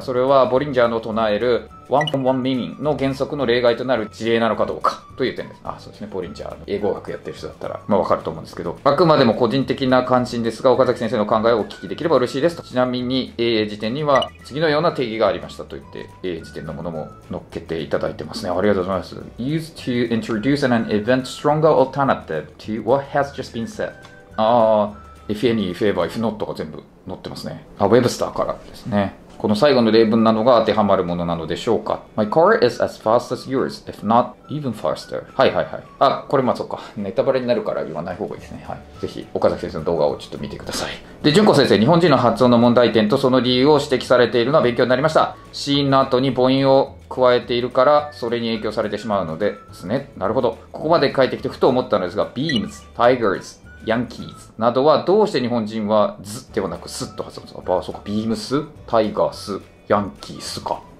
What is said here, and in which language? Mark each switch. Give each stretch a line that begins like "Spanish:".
Japanese: それはボリンジャーの唱えるワンフォンワンミミンの原則の例外となる事例なのかどうかという点です。あ、そうですね、ボリンジャーの英語学やってる人だったらまあわかると思うんですけど、あくまでも個人的な関心ですが、岡崎先生の考えをお聞きできれば嬉しいですと。ちなみに AA 辞典には次のような定義がありましたと言って、 AA 辞典のものも載っけていただいてますね。ありがとうございます。
English: Used to introduce an event stronger alternative to what has just been said。 If any, if ever, if not
Japanese: が全部載ってますね。あ、ウェブスターからですね。この最後の例文なのが当てはまるものなのでしょうか。
English: My car is as fast as yours, if not even faster.
Japanese: はいはいはい。あ、これまあそっか。ネタバレになるから言わない方がいいですね。はい。ぜひ、岡崎先生の動画をちょっと見てください。で、純子先生、日本人の発音の問題点とその理由を指摘されているのは勉強になりました。シーンの後に母音を加えているから、それに影響されてしまうのでですね。なるほど。ここまで書いてきてふと思ったのですが、beams, tigers,ヤンキーズなどはどうして日本人はズではなくスッと発音するんですか。あ、そうか、ビームス、タイガース、ヤンキースか。